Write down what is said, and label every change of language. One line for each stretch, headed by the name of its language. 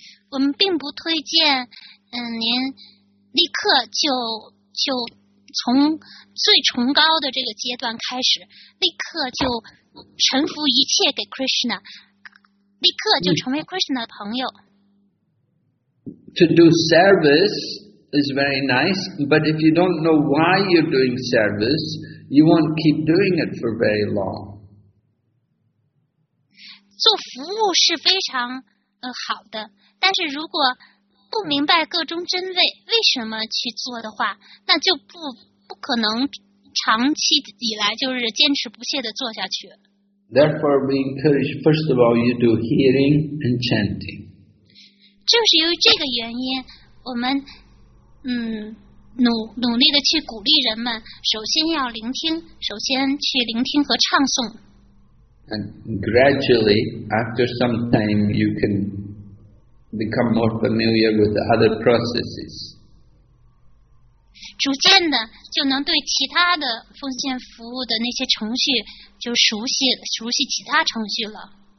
Chinese: 我们并不推荐您立刻就从最崇高的这个阶段开始，立刻就臣服一切给 Krishna， 立刻就成为 Krishna 的朋友。
English: To do service is very nice, but if you don't know why you're doing service, you won't keep doing it for very long.
Chinese: 做服务是非常好的，但是如果不明白各种真谓为什么去做的话，那就不可能长期以来就是坚持不懈地做下去。
English: Therefore, we encourage, first of all, you do hearing and chanting.
Chinese: 正是由于这个原因，我们努力的去鼓励人们，首先要聆听，首先去聆听和唱诵。
English: And gradually, after some time, you can become more familiar with the other processes.
Chinese: 逐渐的就能对其他的奉献服务的那些程序就熟悉其他程序了。